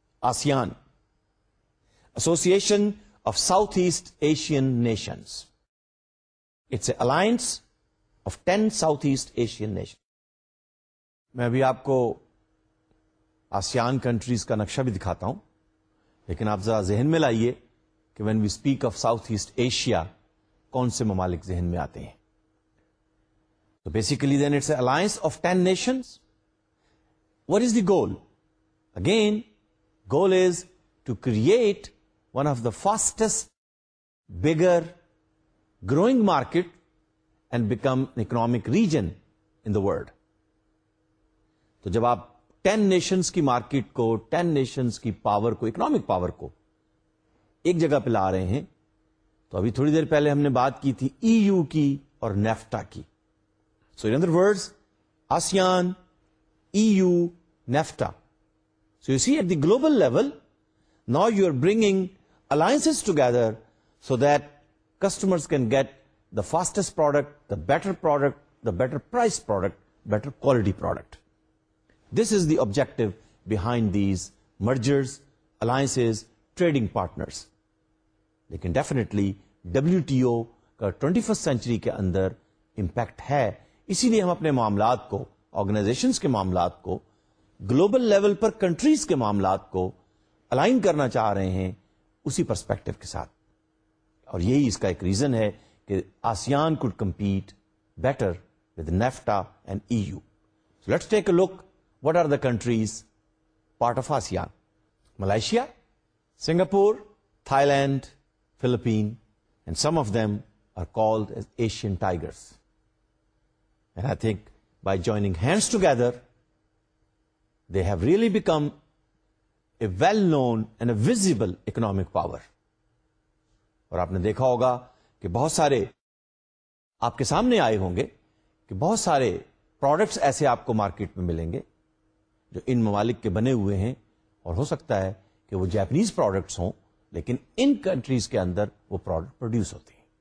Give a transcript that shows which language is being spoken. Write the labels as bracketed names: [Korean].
[English] ASEAN, Association of South asset Asian Nations, it's a alliance of 10 south asset Asian nation. [Urdu] میں ابھی آپ کو ASEAN countries کا نقشہ بھی دکھاتا ہوں, لیکن آپ ذرا ذہن میں لائیے کہ [English] when we speak of south east Asia [Urdu] کون سے ممالک ذہن میں آتے ہیں. [English] تو basically then it's a alliance of 10 nations. What is the goal? Again goal is to create one of the fastest bigger growing market and become economic region in the world. [Urdu] تو جب آپ ٹین نیشنز کی market کو، ten nations کی power کو، economic power کو ایک جگہ پہ لا رہے ہیں. تو ابھی تھوڑی دیر پہلے ہم نے بات کی تھی ای یو کی اور نیفٹا کی. [English] So in other words ASEAN, E U, NAFTA. So you see at the global level now you are bringing alliances together so that customers can get the fastest product, the better product, the better price product, better quality product. This is the objective behind these mergers, alliances, trading partners. [Urdu] لیکن definitely W T O کا 21st century کے اندر impact ہے. اسی لیے ہم اپنے معاملات کو، آرگنائزیشنز کے معاملات کو، گلوبل لیول پر کنٹریز کے معاملات کو الائن کرنا چاہ رہے ہیں اسی پرسپیکٹو کے ساتھ. اور یہی اس کا ایک ریزن ہے کہ [English] ASEAN could compete better with NAFTA and E U. So let's take a look what are the countries part of ASEAN. Malaysia, Singapore, Thailand, Philippine and some of them are called as Asian tigers. And I think by joining hands together they have really become a well known and a visible economic power. [Urdu] اور آپ نے دیکھا ہوگا کہ بہت سارے آپ کے سامنے آئے ہوں گے کہ بہت سارے پروڈکٹس ایسے آپ کو مارکیٹ میں ملیں گے جو ان ممالک کے بنے ہوئے ہیں، اور ہو سکتا ہے کہ وہ جاپنیز پروڈکٹس ہوں لیکن ان کنٹریز کے اندر وہ پروڈکٹ پروڈیوس ہوتے ہیں.